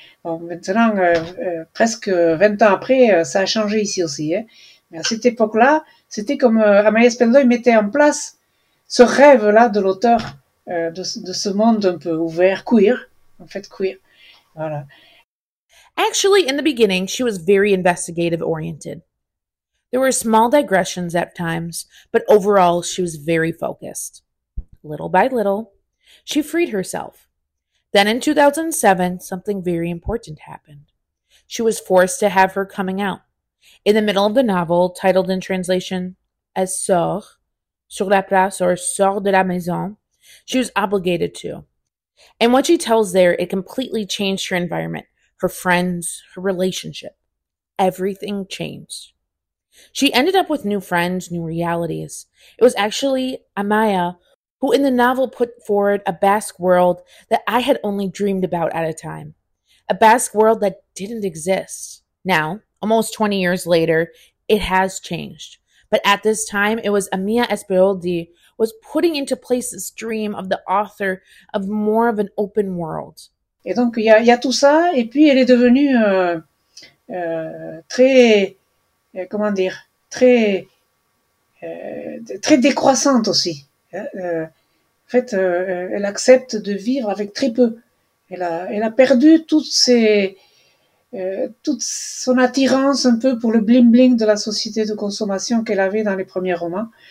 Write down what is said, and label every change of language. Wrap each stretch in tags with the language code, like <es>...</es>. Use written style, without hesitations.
<fr>Bon, maintenant, presque 20 ans après, ça a changé ici aussi. Hein. Mais à cette époque-là, c'était comme Amaya Speldoy mettait en place ce rêve-là de l'auteur de ce monde un peu ouvert, queer, en fait queer, voilà.</fr> <en>Actually, in the beginning, she was very investigative-oriented. There were small digressions at times, but overall, she was very focused. Little by little, she freed herself. Then in 2007, something very important happened. She was forced to have her coming out. In the middle of the novel, titled in translation as Sors, sur la place, or Sors de la maison, she was obligated to. And what she tells there, it completely changed her environment. Her friends, her relationship, everything changed. She ended up with new friends, new realities. It was actually Amaya who in the novel put forward a Basque world that I had only dreamed about at a time. A Basque world that didn't exist. Now, almost 20 years later, it has changed. But at this time, it was Amaya Espeldi was putting into place this dream of the author of more of an open world.</en> <fr>Et donc il y a tout ça, et puis elle est devenue très décroissante aussi. En fait, elle accepte de vivre avec très peu. Elle a perdu toute son attirance un peu pour le bling bling de la société de consommation qu'elle avait dans les premiers romans.</fr>